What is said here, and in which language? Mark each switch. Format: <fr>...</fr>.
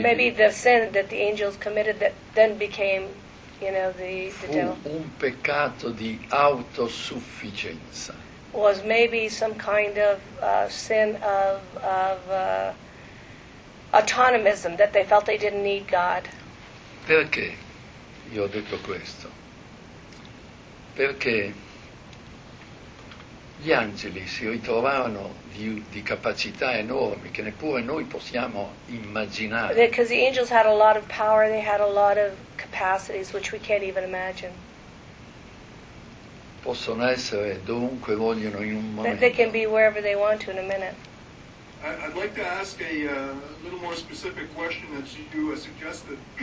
<en>maybe the sin that the angels committed that then became, you know, the</en> <it>fu</it> <en>devil.</en> <it>Un peccato di autosufficienza.</it> <en>Was maybe some kind of sin of autonomism, that they felt they didn't need God.</en> <it>Perché io ho detto questo? Perché gli angeli si ritrovavano di capacità enormi che neppure noi possiamo immaginare.</it> <en>Because the angels had a lot of power, they had a lot of capacities which we can't even imagine.</en> <it>Possono essere dovunque vogliono in un momento.</it> <en>They can be wherever they want to in a minute. I'd like to ask a little more specific question that you suggested.</en>